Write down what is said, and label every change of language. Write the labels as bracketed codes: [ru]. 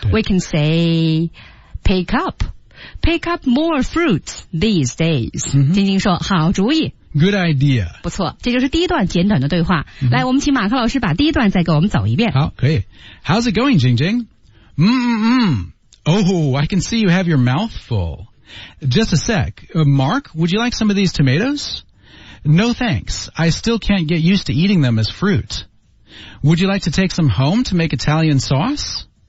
[en] we can say pick up more fruits these days、 mm-hmm. [zh] 晶晶说好主意 [en] Good idea. [zh] 不错，这就是第一段简短的对话。 [en] Mm-hmm. [zh] 来，我们请马克老师把第一段再给我们走一遍。好，可以。 [en] How's it going, Jingjing? Mm-mm-mm. Oh, I can see you have your mouth full. Just a sec. Mark, would you like some of these tomatoes? No, thanks. I still can't get used to eating them as fruit. Would you like to take some home to make Italian sauce?